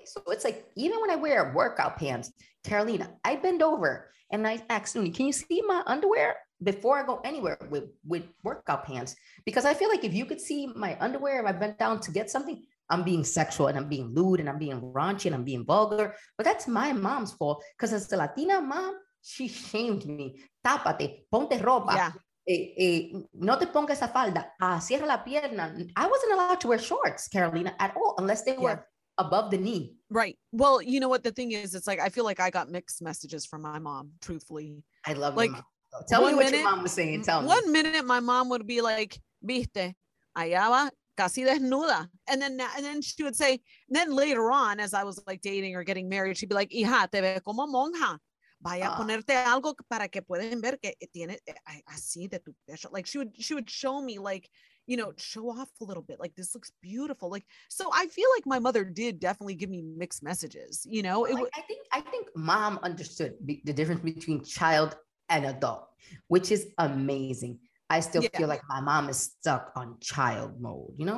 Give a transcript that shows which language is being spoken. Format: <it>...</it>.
<en>So it's like, even when I wear workout pants, Carolina, I bend over and I ask Sunni, can you see my underwear before I go anywhere with workout pants? Because I feel like if you could see my underwear, if I bent down to get something, I'm being sexual and I'm being lewd and I'm being raunchy and I'm being vulgar. But that's my mom's fault. Because as the Latina mom, she shamed me.</en> <es>Tápate, ponte ropa.</es> <en>Yeah.</en> <es>No te pongas esa falda, cierra la pierna.</es> <en>I wasn't allowed to wear shorts, Carolina, at all, unless they were above the knee. Right. Well, you know what the thing is? It's like, I feel like I got mixed messages from my mom, truthfully. I love like, your mom. Tell me what your mom was saying. Tell me. 1 minute, my mom would be like,</en> <es>viste, allá va casi desnuda.</es> <en>And then she would say, then later on, as I was like dating or getting married, she'd be like,</en> <es>hija, te ve como monja. Vaya ponerte algo para que puedan ver que tiene así de tu pecho.</es> <en>Like she would show me, like, you know, show off a little bit. Like, this looks beautiful. Like, so I feel like my mother did definitely give me mixed messages. You know, I think mom understood the difference between child an adult, which is amazing. I still feel like my mom is stuck on child mode, you know?</en>